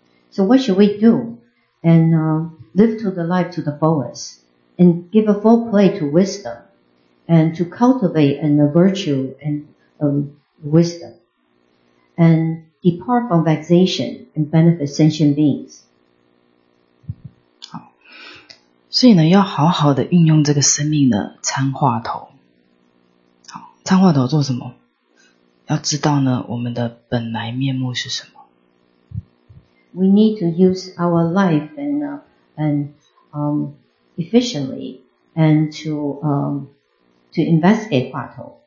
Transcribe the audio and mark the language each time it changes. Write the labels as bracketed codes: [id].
[en] So what should we do? And, live to the life to the fullest. And give a full play to wisdom. And to cultivate a virtue and, wisdom. And depart from vexation and benefit sentient beings. [zh] 好。所以呢，要好好的运用这个生命的参话头。参话头做什么？要知道呢，我们的本来面目是什么。 [en] We need to use our life efficiently and to investigate 话头。